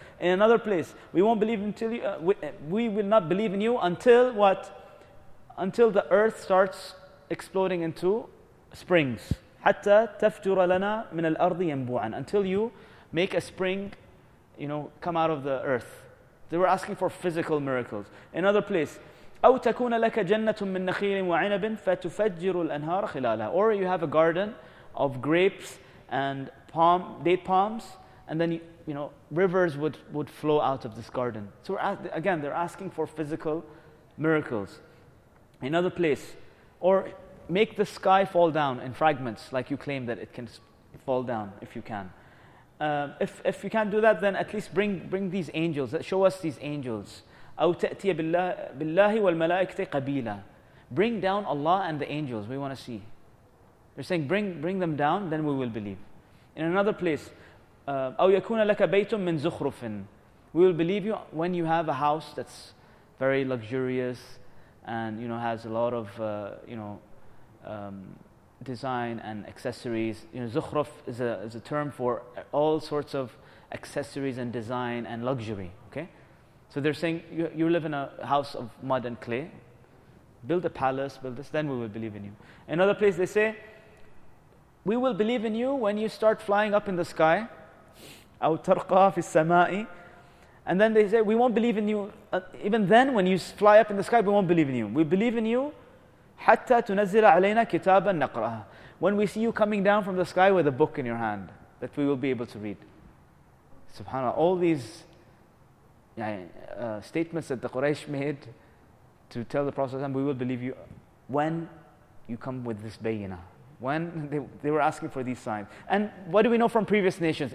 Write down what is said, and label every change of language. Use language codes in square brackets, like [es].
[en] In another place, we won't believe until you, we will not believe in you until what? Until the earth starts exploding into springs. [ar] حَتَّى تَفْجُرَ لَنَا مِنَ الْأَرْضِ يَنْبُوعًا. [en] Until you make a spring, you know, come out of the earth. They were asking for physical miracles. In another place, [ar] أَوْ تَكُونَ لَكَ جَنَّةٌ مِّن نَخِيلٍ وَعِنَبٍ فَتُفَجِّرُ الْأَنْهَارَ خِلَالَهَا. [en] Or you have a garden of grapes and palm, date palms, and then, you know, rivers would flow out of this garden. So again, they're asking for physical miracles. In another place, or make the sky fall down in fragments, like you claim that it can fall down if you can. If you can't do that, then at least bring these angels. Show us these angels. [ar] أَوْ تَأْتِيَ بِاللَّهِ وَالْمَلَائِكَةِ قَبِيلًا. [en] Bring down Allah and the angels. We want to see. They're saying, bring them down, then we will believe. In another place, [ar] أَوْ يَكُونَ لَكَ بَيْتٌ مِّن زُخْرُفٍ. [en] We will believe you when you have a house that's very luxurious and, you know, has a lot of, design and accessories. You know, zukhruf is a term for all sorts of accessories and design and luxury, okay? So they're saying, you live in a house of mud and clay. Build a palace, build this, then we will believe in you. Another place they say, we will believe in you when you start flying up in the sky. [ar] أَوْ تَرْقَى فِي السَّمَاءِ. [en] And then they say, we won't believe in you. Even then, when you fly up in the sky, we won't believe in you. We believe in you [ar] حَتَّى تُنَزِّلَ عَلَيْنَا كِتَابًا نَقْرَهَا. [en] When we see you coming down from the sky with a book in your hand that we will be able to read. SubhanAllah, all these statements that the Quraysh made to tell the Prophet, we will believe you when you come with this bayinah. When they were asking for these signs. And what do we know from previous nations?